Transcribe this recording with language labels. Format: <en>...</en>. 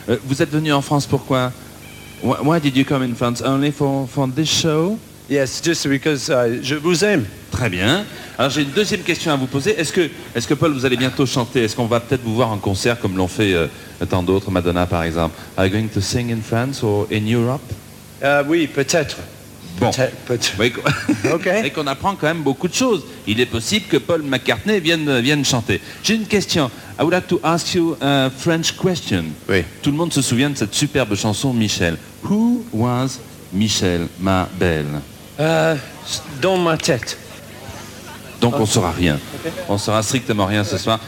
<fr>Vous êtes venu en France pourquoi?</fr> <en>Why did you come in France? Only for this show? Yes, just because</en> <fr>je vous aime. Très bien. Alors j'ai une deuxième question à vous poser. Est-ce que Paul, vous allez bientôt chanter? Est-ce qu'on va peut-être vous voir en concert comme l'ont fait tant d'autres, Madonna par exemple?</fr> <en>Are you going to sing in France or in Europe?</en> <fr>Oui, peut-être. Bon,</fr> <en>okay.</en> <fr>Et qu'on apprend quand même beaucoup de choses. Il est possible que Paul McCartney vienne chanter. J'ai une question.</fr> <en>I would like to ask you a French question.</en> <fr>Oui. Tout le monde se souvient de cette superbe chanson Michel.</fr> <en>Who was Michel,</en> <fr>ma belle? Dans ma tête. Donc okay. On ne saura rien. Okay. On ne saura strictement rien ce soir.</fr>